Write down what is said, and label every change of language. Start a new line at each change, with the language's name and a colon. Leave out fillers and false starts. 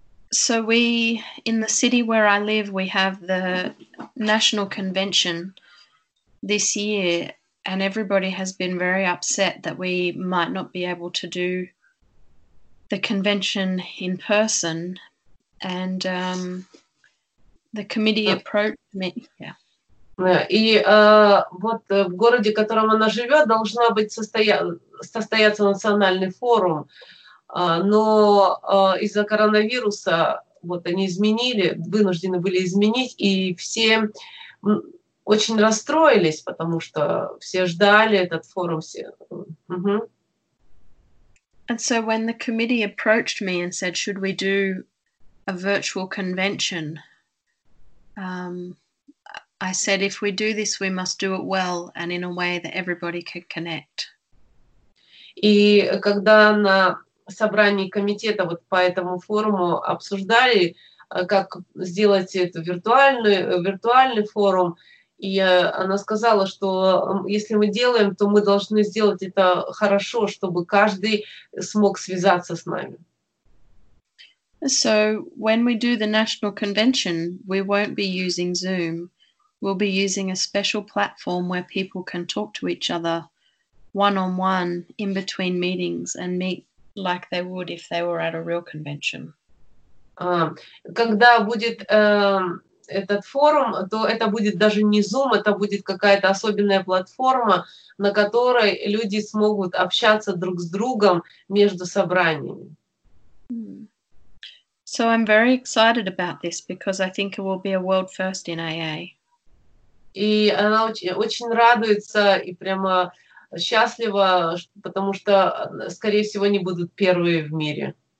English: So we, in the city where I live, we have the national convention this year, and everybody has been very upset that we might not be able to do the convention in person, and the committee approached me. Yeah.
Russian: И вот в городе, в котором она живет, должна быть состояться национальный форум, но из-за коронавируса вот они изменили, вынуждены были изменить, и все очень расстроились, потому что все ждали этот форум. Все.
English: And so when the committee approached me and said, should we do a virtual convention? I said, if we do this, we must do it well and in a way that everybody can connect.
Russian: И когда на собрании комитета вот по этому форуму обсуждали, как сделать эту виртуальный форум, и она сказала, что если мы делаем, то мы должны сделать это хорошо, чтобы каждый смог связаться с нами.
English: So when we do the national convention, we won't be using Zoom. We'll be using a special platform where people can talk to each other one-on-one in between meetings and meet like they would if they were at a real convention.
Russian: Когда будет этот форум, то это будет даже не Zoom, это будет какая-то особенная платформа, на которой люди смогут общаться друг с другом между собраниями.
English: So I'm very excited about this because I think it will be a world first in AA.
Russian: И она очень радуется и прямо счастлива, потому что, скорее всего, не будут первые в мире.